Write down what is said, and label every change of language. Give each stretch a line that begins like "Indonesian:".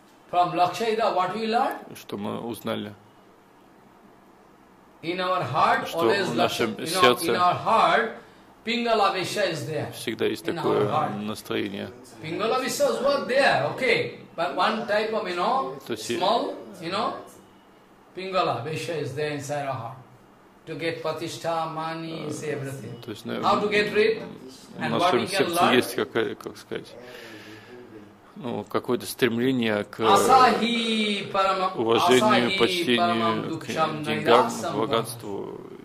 English: From Lakshahira, what we learned?
Russian: Что мы узнали?
English: In our heart,
Russian: что в нашем сердце,
English: in our heart, Pingala Visha is there.
Russian: Всегда есть такое настроение.
English: Pingala Visha is what there, okay? But one type of, you know, small, you know, Pingala Visha is there inside our heart. To get Patishtha, money, say everything.
Russian: То есть,
English: how to get rid?
Russian: У нас в сердце есть какая, как сказать? Ну, какое-то стремление к уважению, почтению, к деньгам, к богатству.